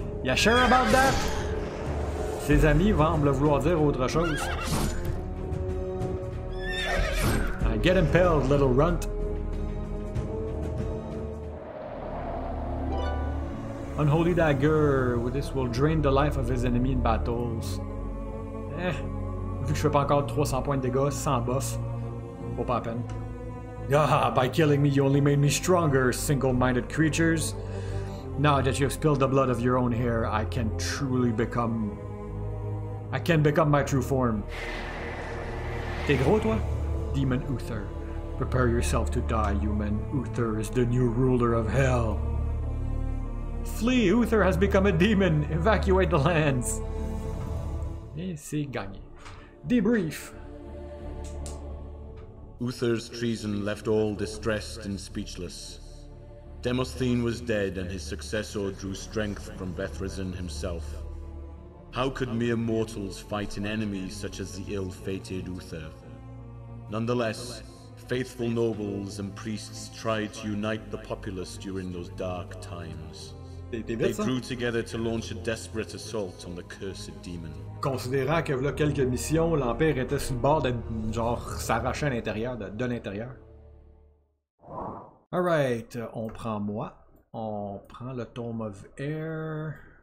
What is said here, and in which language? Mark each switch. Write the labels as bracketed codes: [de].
[en] You sure about that? [fr] Ses amis vont me vouloir dire autre chose. [en] Get impaled, little runt. Unholy dagger. This will drain the life of his enemy in battles. [fr] Vu que je fais pas encore 300 points de dégâts sans buff, vaut pas la peine. [en] Ah, by killing me, you only made me stronger, single-minded creatures. Now that you have spilled the blood of your own hair, I can become my true form. [fr] T'es gros, toi? [en] Demon Uther. Prepare yourself to die, human. Uther is the new ruler of hell. Flee, Uther has become a demon. Evacuate the lands. [fr] Et c'est gagné. [en] Debrief. Uther's treason left all distressed and speechless. Demosthene was dead, and his successor drew strength from Vethrazin himself. How could mere mortals fight an enemy such as the ill-fated Uther? Nonetheless, faithful nobles and priests tried to unite the populace during those dark times. They grew together to launch a desperate assault on the cursed demon. [fr] Considérant que voilà quelques missions, l'Empire était sur le bord de genre s'arracher à l'intérieur, de l'intérieur. Alright, on prend moi. On prend le Tome of Air.